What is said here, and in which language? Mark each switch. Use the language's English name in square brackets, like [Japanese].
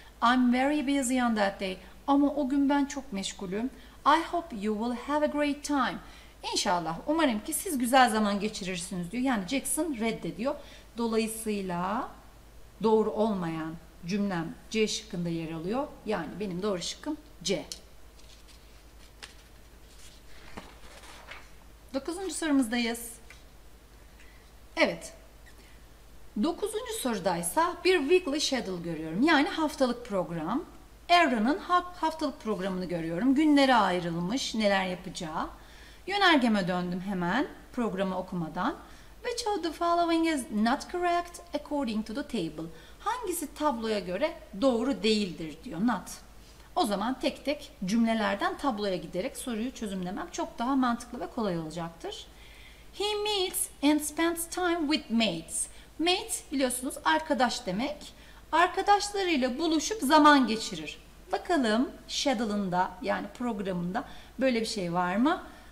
[English] I'm very busy on that day. [Turkish] Ama o gün ben çok meşgulüm. [English] I hope you will have a great time. [Turkish] İnşallah. Umarım ki siz güzel zaman geçirirsiniz diyor. Yani Jackson reddediyor. Dolayısıyla doğru olmayan cümlem C şıkkında yer alıyor. Yani benim doğru şıkkım C. Dokuzuncu sorumuzdayız. Evet. Dokuzuncu sorudaysa bir [English] weekly schedule [Turkish] görüyorum. Yani haftalık program. Aaron'ın haftalık programını görüyorum. Günlere ayrılmış, neler yapacağı. Yönergeme döndüm hemen programı okumadan. [English] Which of the following is not correct according to the table? [Turkish] Hangisi tabloya göre doğru değildir diyor not. O zaman tek tek cümlelerden tabloya giderek soruyu çözümlemem çok daha mantıklı ve kolay olacaktır. [English] He meets and spends time with mates. [Turkish] Mates biliyorsunuz arkadaş demek. Arkadaşlarıyla buluşup zaman geçirir. Bakalım schedule'ında yani programında böyle bir şey var mı?